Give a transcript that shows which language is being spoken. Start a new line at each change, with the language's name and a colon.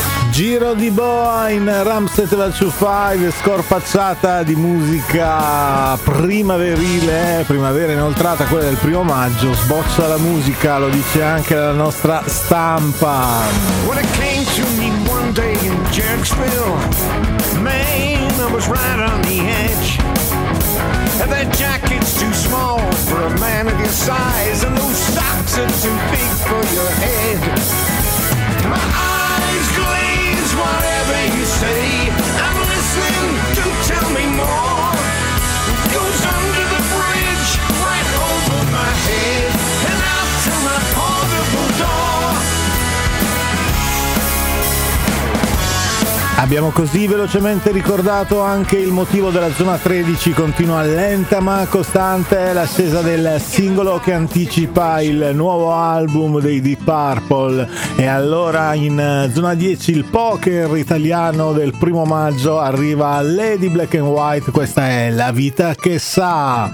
Italian: Giro di boa in Ram 7 va to 5, scorpacciata di musica primaverile, primavera inoltrata, quella del primo maggio, sboccia la musica, lo dice anche la nostra stampa.
English: When I came to me one day in Jacksonville, Maine, I was right on the edge. And that jacket's too small for a man of your size, and those socks are too big for your head. My eyes glaze whatever you say, I'm listening, do tell me more. It goes under the bridge, right over my head, and out to my portable door.
Italian: Abbiamo così velocemente ricordato anche il motivo della zona 13, continua lenta ma costante l'ascesa del singolo che anticipa il nuovo album dei Deep Purple. E allora in zona 10 il poker italiano del primo maggio arriva Lady Black and White, questa è La Vita Che Sa.